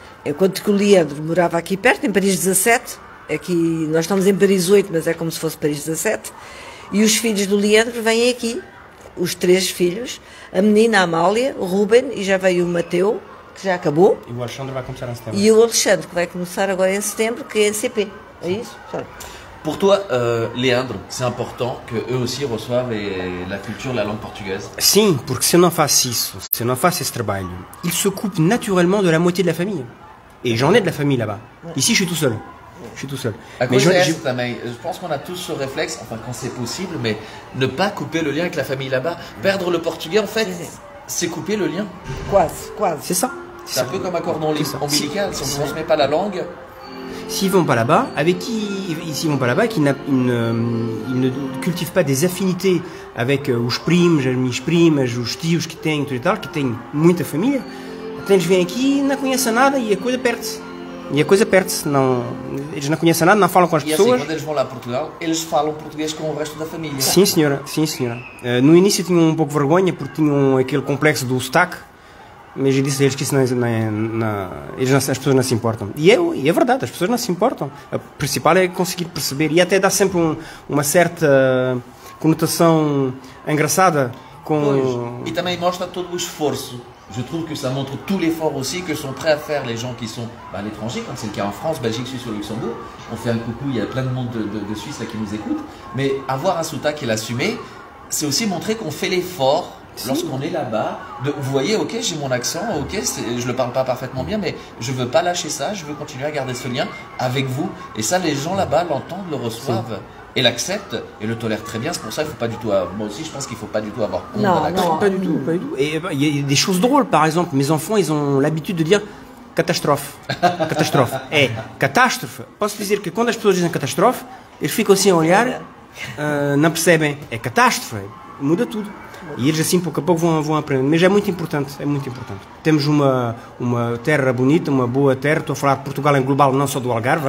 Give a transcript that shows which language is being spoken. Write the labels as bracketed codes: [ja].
[pt] Enquanto que o Leandro morava aqui perto, em Paris 17, aqui nós estamos em Paris 8, mas é como se fosse Paris 17, e os filhos do Leandro vêm aqui, os 3 filhos, a menina Amália, o Ruben, e já veio o Mateu, que já acabou. E o Alexandre vai começar em setembro. E o Alexandre, que vai começar agora em setembro, que é em CP. É isso? Sorry. [fr] Pour toi, Leandro, c'est important qu'eux aussi reçoivent la culture, la langue portugaise. [pt] Sim, porque se eu não faço isso, se eu não faço esse trabalho, [fr] ils se coupent naturellement de la moitié de la famille. Et j'en ai de la famille là-bas. Ici, je suis tout seul. Je suis tout seul. Je pense qu'on a tous ce réflexe, enfin quand c'est possible, mais ne pas couper le lien avec la famille là-bas. Perdre le portugais, en fait, c'est couper le lien. [pt] Quase. [fr] C'est ça. C'est un peu comme un cordon ombilical, si on ne transmet pas la langue. S'ils vont pas là-bas, avec qui ils vont pas là-bas, qu'ils ne cultivent pas des affinités avec [pt] os primos, os tios que têm, tudo e tal, que têm muita família, então eles vêm aqui e não conhecem nada e a coisa perde-se. E a coisa perde-se, não, eles não conhecem nada, não falam com as pessoas. E assim, quando eles vão lá a Portugal, eles falam português com o resto da família. Sim, senhora, sim, senhora. No início tinham um pouco de vergonha porque tinham aquele complexo do sotaque. Mas eu disse a eles que isso as pessoas não se importam. E é verdade, as pessoas não se importam. A principal é conseguir perceber. E até dá sempre uma certa conotação engraçada com. Pois. E também mostra todo o esforço. [fr] Je trouve que ça montre tout l'effort aussi que sont prêts à faire les gens qui sont à l'étranger, comme c'est le cas en France, Belgique, Suisse ou Luxembourg. On fait un coucou, il y a plein de monde de Suisse là, qui nous écoute. Mais avoir un sotaque et l'assumer, c'est aussi montrer qu'on fait l'effort. Si. Lorsqu'on est là-bas, vous voyez, ok, j'ai mon accent, ok, je le parle pas parfaitement bien, mais je veux pas lâcher ça, je veux continuer à garder ce lien avec vous. Et ça, les gens là-bas l'entendent, le reçoivent et l'acceptent et le tolèrent très bien. C'est pour ça qu'il faut pas du tout. Moi aussi, je pense qu'il faut pas du tout avoir honte à l'accent. Non, pas du tout, pas du tout. Et il y a des choses drôles, par exemple, mes enfants, ils ont l'habitude de dire catastrophe, catastrophe. Et catastrophe. [pt] Posso dizer que quando as pessoas dizem catastrophe, eles ficam assim a olhar, não percebem. É catástrofe. Muda tudo. E eles assim pouco a pouco vão aprendendo. Mas é muito importante, é muito importante. Temos uma terra bonita, uma boa terra. Estou a falar de Portugal em global, não só do Algarve.